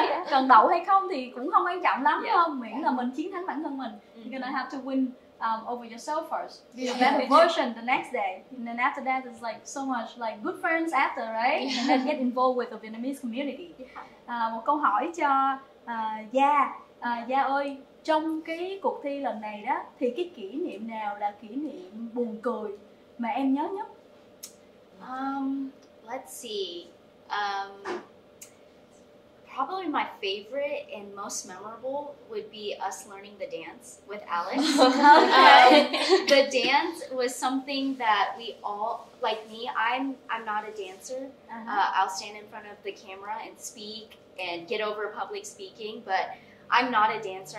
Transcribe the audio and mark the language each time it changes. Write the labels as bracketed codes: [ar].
[vi] Cần đậu hay không thì cũng không quan trọng lắm đúng không? Miễn là mình chiến thắng bản thân mình. [en] You're gonna have to win over yourself first. Be a better version the next day. And then after that, it's like so much like good friends after, right? And then get involved with the Vietnamese community. [vi] Một câu hỏi cho Gia. Gia ơi, trong cái cuộc thi lần này đó, thì cái kỷ niệm nào là kỷ niệm buồn cười mà em nhớ nhất? [en] Let's see. Probably my favorite and most memorable would be us learning the dance with Alex. The dance was something that we all, like me, I'm not a dancer. I'll stand in front of the camera and speak and get over public speaking, but I'm not a dancer.